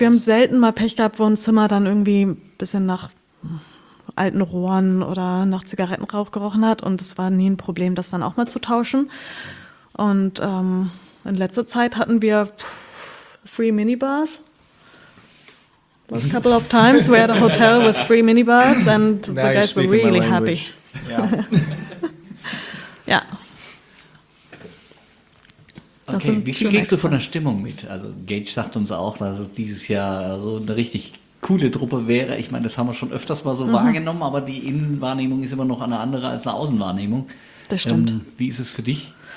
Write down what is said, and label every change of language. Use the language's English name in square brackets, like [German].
[German] Wir haben selten mal Pech gehabt, wo ein Zimmer dann irgendwie ein bisschen nach alten Rohren oder nach Zigarettenrauch gerochen hat. Und es war nie ein Problem, das dann auch mal zu tauschen. Und in letzter Zeit hatten wir [English] free Minibars. A couple of times we had a hotel with free minibars and now the guys were really happy. Yeah. Yeah. [German] Okay, wie viel kriegst du von der Stimmung mit? Also Gage sagt uns auch, dass es dieses Jahr so eine richtig coole Truppe wäre. Ich meine, das haben wir schon öfters mal so wahrgenommen, aber die Innenwahrnehmung ist immer noch eine andere als eine Außenwahrnehmung. Das stimmt. Wie ist es für dich?